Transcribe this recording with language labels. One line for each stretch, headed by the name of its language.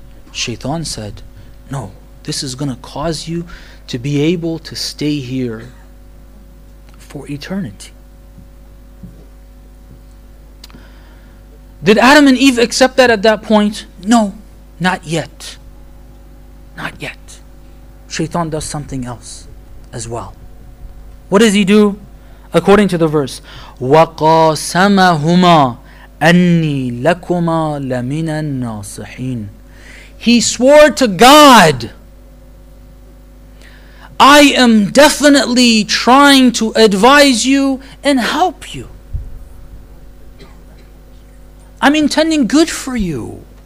English: Shaitan said, no, this is going to cause you to be able to stay here for eternity. Did Adam and Eve accept that at that point? No, not yet. Not yet. Shaitan does something else as well. What does he do? According to the verse,
Arabic: وَقَاسَمَهُمَا أَنِّي لَكُمَا لَمِنَ النَّاصِحِينَ.
English: He swore to God, I am definitely trying to advise you and help you. I'm intending good for you.